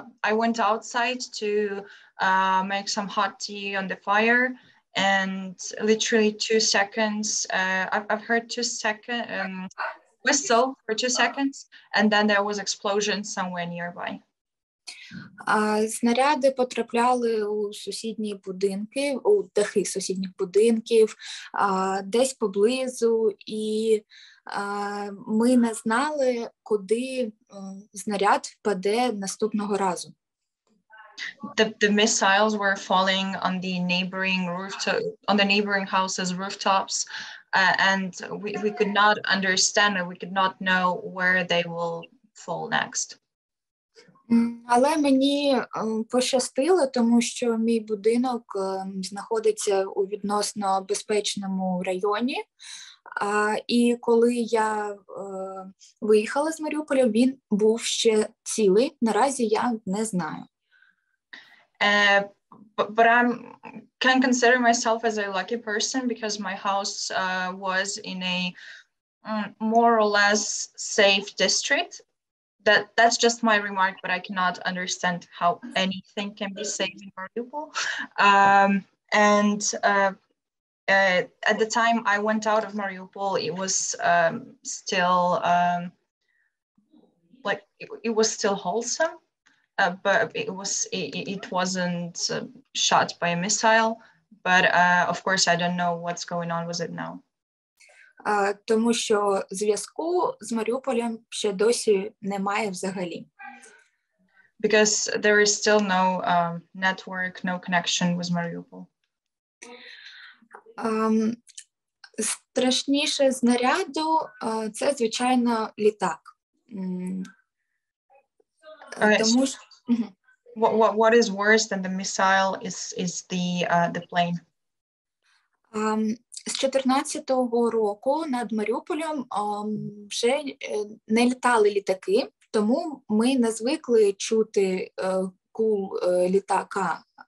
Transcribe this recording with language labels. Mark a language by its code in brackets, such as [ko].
[en] I went outside to make some hot tea on the fire, and literally 2 seconds. I've heard 2 second whistle for 2 seconds, and then there was explosion somewhere nearby. [uk] Снаряди потрапляли у сусідні будинки, у дахи сусідніх будинків, десь поблизу і. Ми не знали, куди снаряд впаде наступного разу. [en] The missiles were falling on the neighboring rooftop, on the neighboring houses rooftops, and we could not understand, we could not know where they will fall next. [uk] Але мені пощастило, тому що мій будинок знаходиться у відносно безпечному районі. І коли я виїхала з Маріуполя, він був ще цілий. Наразі я не знаю. [en] But I can consider myself as a lucky person because my house was in a more or less safe district. That's just my remark, but I cannot understand how anything can be safe in Mariupol. At the time I went out of Mariupol, it was still wholesome, but it wasn't shot by a missile. But of course, I don't know what's going on with it now. [uk] Тому що зв'язку з Маріуполем ще досі немає взагалі. [en] Because there is still no network, no connection with Mariupol. [uk] Страшніше знаряду це звичайно літак. Тому [en] what is worse than the missile is the plane. [uk] З 14-го року над Маріуполем вже не літали літаки, тому ми не звикли чути гул літака.